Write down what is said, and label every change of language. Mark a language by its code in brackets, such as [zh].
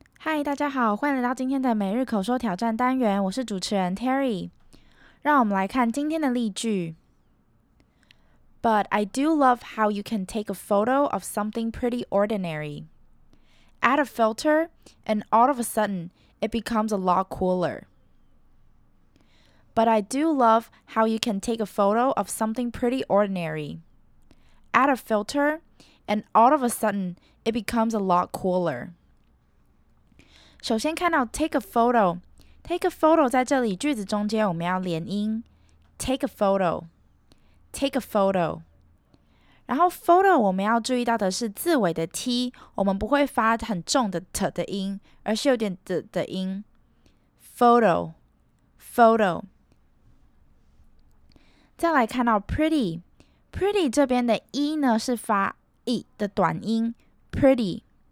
[zh] 嗨，大家好，欢迎来到今天的每日口说挑战单元，我是主持人 Terry。让我们来看今天的例句。 [en] But I do love how you can take a photo of something pretty ordinary. Add a filter, and all of a sudden, it becomes a lot cooler. But I do love how you can take a photo of something pretty ordinary. Add a filter, and all of a sudden, it becomes a lot cooler. [zh] 首先看到 take a photo， take a photo 在这里句子中间我们要连音 take a photo， take a photo。然后 photo 我们要注意到的是字尾的 t， 我们不会发很重的 t 的音，而是有点 d 的音 photo， photo。再来看到 pretty， pretty 这边的 e 呢是发 e 的短音 pretty。